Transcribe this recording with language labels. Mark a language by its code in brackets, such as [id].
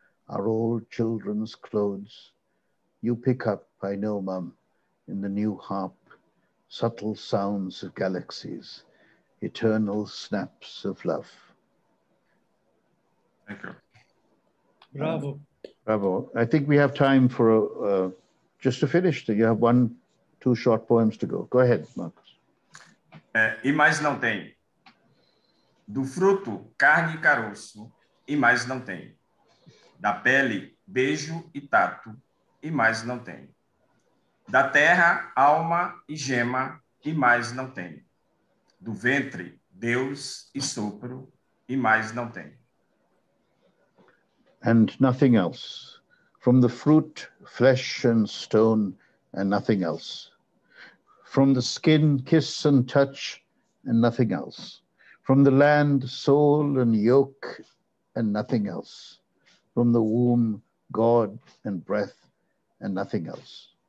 [en] Our old children's clothes. You pick up, I know, Mum, in the new harp, subtle sounds of galaxies, eternal snaps of love. Thank you. Bravo. Bravo. I think we have time for just to finish. You have one, two short poems to go. Go ahead, Marcos. [pt] E mais não tem. Do fruto, carne e caroço, e mais não tem. Da pele, beijo e tato, e mais não tem. Da terra, alma e gema, e mais não tem. Do ventre, Deus e sopro, e mais não tem. [en] And nothing else. From the fruit, flesh and stone, and nothing else. From the skin, kiss and touch, and nothing else. From the land, soul and yoke, and nothing else. From the womb, God and breath, and nothing else.